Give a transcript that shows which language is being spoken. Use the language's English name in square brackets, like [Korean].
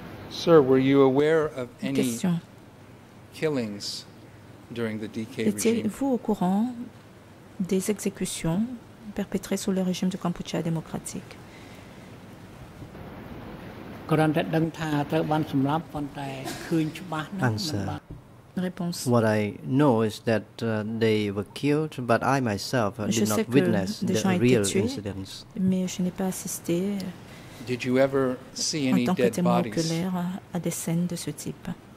[English] Sir, were you aware of any killings during the DK regime? [French] Étiez-vous au courant des exécutions perpétrées sous le régime de Kampuchea démocratique? [English] Answer. [French] Réponse. [English] What I know is that they were killed, but I myself did not witness the real incidents. [French] Mais je n'ai pas assisté. [English] Did you ever see any dead bodies? [French] En tant que témoin oculaire à des scènes de ce type.